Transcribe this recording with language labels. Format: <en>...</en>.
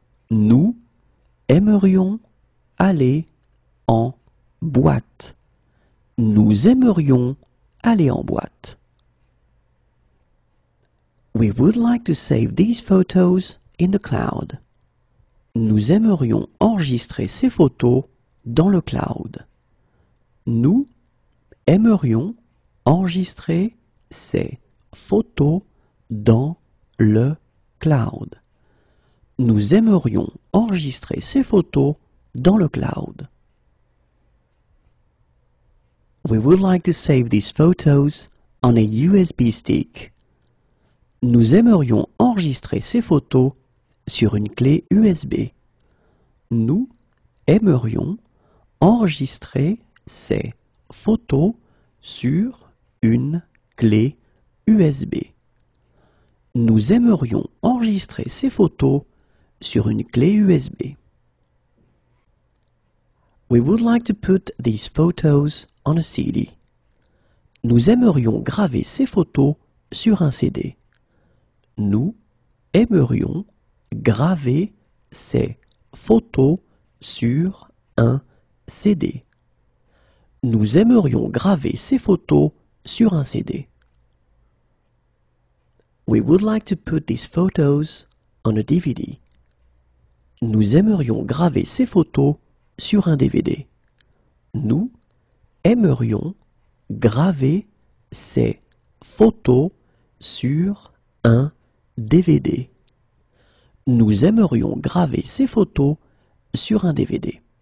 <fr>Nous aimerions aller en boîte. Nous aimerions aller en boîte.</fr> <en>We would like to save these photos in the cloud.</en> <fr>Nous aimerions enregistrer ces photos dans le cloud. Nous aimerions enregistrer ces photos dans le cloud. Nous aimerions enregistrer ces photos dans le cloud.</fr> <en>We would like to save these photos on a USB stick.</en> <fr>Nous aimerions enregistrer ces photos sur une clé USB. Nous aimerions enregistrer ces photos sur une clé USB. Nous aimerions enregistrer ces photos sur une clé USB.</fr> <en>We would like to put these photos on a CD.</en> <fr>Nous aimerions graver ces photos sur un CD. Nous aimerions graver ces photos sur un CD. Nous aimerions graver ces photos sur un CD.</fr> <en>We would like to put these photos on a DVD.</en> <fr>Nous aimerions graver ces photos sur un DVD. Nous aimerions graver ces photos sur un DVD. Nous aimerions graver ces photos sur un DVD.</fr>